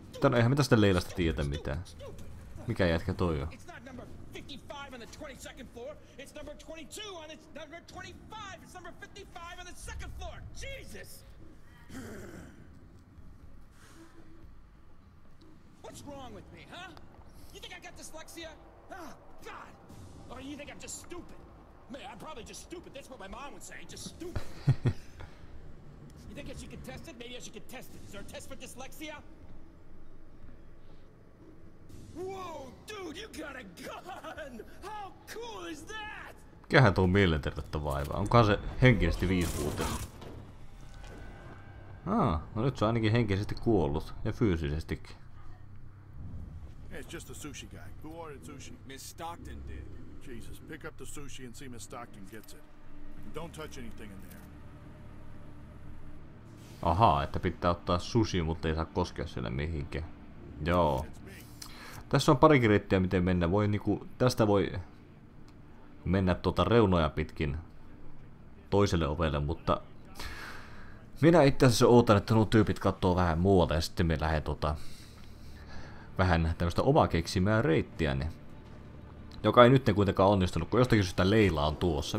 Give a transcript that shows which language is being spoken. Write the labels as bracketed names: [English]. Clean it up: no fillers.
[Finnish] No eihän me tästä Leilasta tiedä mitään. Mikä jätkä toi on? [English] It's not number 55 on the 22nd floor. It's number 22 on its number 25. It's number 55 on the second floor. Jesus! What's wrong with me, huh? You think I got dyslexia? Oh, God! Or you think I'm just stupid? Man, I'm probably just stupid. That's what my mom would say. Just stupid. You think I should contest it? Maybe I should contest it. Is there a test for dyslexia? Whoa, dude, you got a gun! How cool is that? [Finnish] Mikähän tuo mielenterveyttä vaivaa? Onkohan se henkisesti viisivuotias? No nyt se on ainakin henkisesti kuollut. Ja fyysisestikin. [English] Hey, it's just the sushi guy. Who ordered sushi? Miss Stockton did. Jesus, pick up the sushi and see Miss Stockton gets it. And don't touch anything in there. [Finnish] Ahaa, että pitää ottaa sushi, mutta ei saa koskea sille mihinkään. Joo. Tässä on parikin reittiä, miten mennä. Voi niinku, tästä voi mennä tuota reunoja pitkin toiselle ovelle, mutta minä itse asiassa odotan, että nuo tyypit katsoo vähän muualta ja sitten me lähden tuota vähän tämmöistä omaa keksimää reittiä, niin, joka ei nyt kuitenkaan onnistunut, kun jostakin syystä Leila on tuossa.